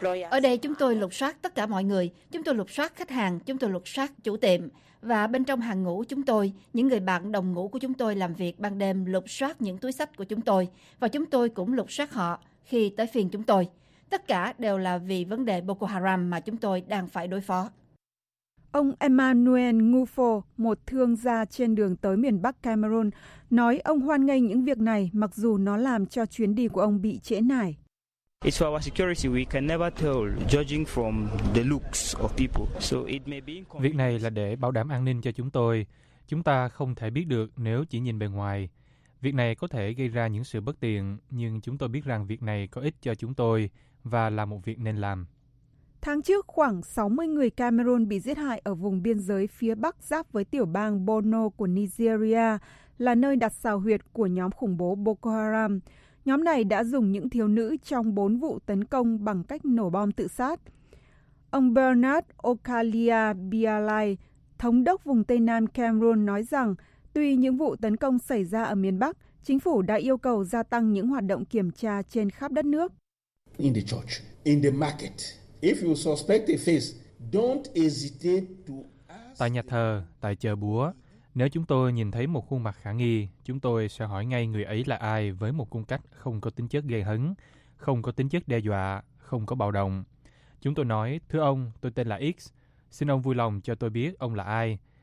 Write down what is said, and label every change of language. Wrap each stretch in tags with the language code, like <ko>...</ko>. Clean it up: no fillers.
<vi>Ở đây chúng tôi lục soát tất cả mọi người, chúng tôi lục soát khách hàng, chúng tôi lục soát chủ tiệm và bên trong hàng ngũ chúng tôi, những người bạn đồng ngũ của chúng tôi làm việc ban đêm lục soát những túi xách của chúng tôi và chúng tôi cũng lục soát họ khi tới phiên chúng tôi. Tất cả đều là vì vấn đề Boko Haram mà chúng tôi đang phải đối phó. Ông Emmanuel Ngufo, một thương gia trên đường tới miền Bắc Cameroon, nói ông hoan nghênh những việc này mặc dù nó làm cho chuyến đi của ông bị trễ nải.</vi> <en>It's for our security. We can never tell, judging from the looks of people. So it may be.</en> <vi>Việc này là để bảo đảm an ninh cho chúng tôi. Chúng ta không thể biết được nếu chỉ nhìn bề ngoài. Việc này có thể gây ra những sự bất tiện, nhưng chúng tôi biết rằng việc này có ích cho chúng tôi và là một việc nên làm. Tháng trước, khoảng 60 người Cameroon bị giết hại ở vùng biên giới phía Bắc giáp với tiểu bang Borno của Nigeria, là nơi đặt xào huyệt của nhóm khủng bố Boko Haram. Nhóm này đã dùng những thiếu nữ trong 4 vụ tấn công bằng cách nổ bom tự sát. Ông Bernard Okalia Bialai, thống đốc vùng Tây Nam Cameroon, nói rằng tuy những vụ tấn công xảy ra ở miền Bắc, chính phủ đã yêu cầu gia tăng những hoạt động kiểm tra trên khắp đất nước.</vi> <en>In the church, in the market. If you suspect a face, don't hesitate to ask.</en> <vi>Tại nhà thờ, tại chợ búa, nếu chúng tôi nhìn thấy một khuôn mặt khả nghi, chúng tôi sẽ hỏi ngay người ấy là ai với một cung cách không có tính chất gây hấn, không có tính chất đe dọa, không có bạo động. Chúng tôi nói, thưa ông, tôi tên là X, xin ông vui lòng cho tôi biết ông là ai.</vi>